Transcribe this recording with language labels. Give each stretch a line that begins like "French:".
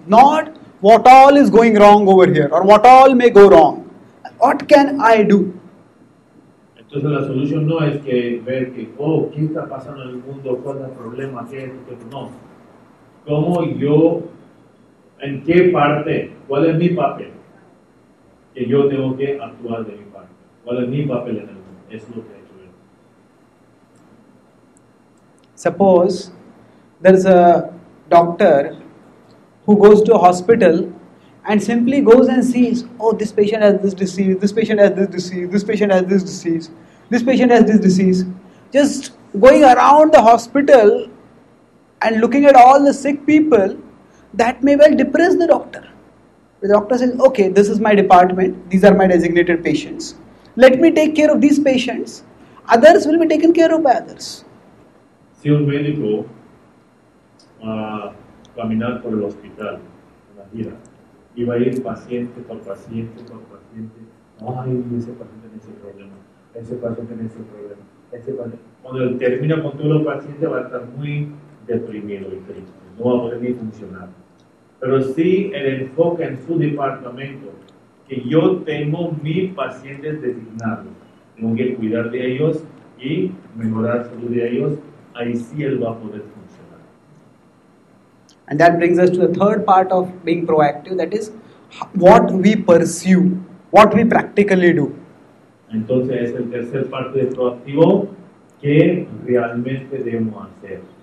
English: Not what all is going wrong over here or what all may go wrong. What can I do?
Spanish: Entonces la solución no es que ver que, oh, ¿qué está pasando en el mundo? ¿Cuál es el problema? ¿Qué es lo que no? ¿Cómo yo, en qué parte, cuál es mi papel? Que yo tengo que actuar de mi parte. ¿Cuál es mi papel en el mundo? Es lo que hay que ver.
English: Suppose there's a doctor who goes to a hospital and simply goes and sees, oh, this patient has this disease, this patient has this disease, this patient has this disease, this patient has this disease. Just going around the hospital and looking at all the sick people, that may well depress the doctor. The doctor says, okay, this is my department, these are my designated patients. Let me take care of these patients. Others will be taken care of by others.
Spanish: Si un médico va a caminar por el hospital, la gira, y va a ir paciente por paciente por paciente, ay, ese paciente tiene ese problema, ese paciente tiene ese problema, ese paciente. Cuando él termina con todos los pacientes, va a estar muy deprimido y triste, no va a poder ni funcionar. Pero si el enfoque en su departamento, que yo tengo mis pacientes designados, tengo que cuidar de ellos y mejorar la salud de ellos, ahí sí él va a poder funcionar.
English: And that brings us to the third part of being proactive, that is what we pursue, what we practically do.
Spanish: Entonces es el tercer parte de proactivo que realmente debemos hacer.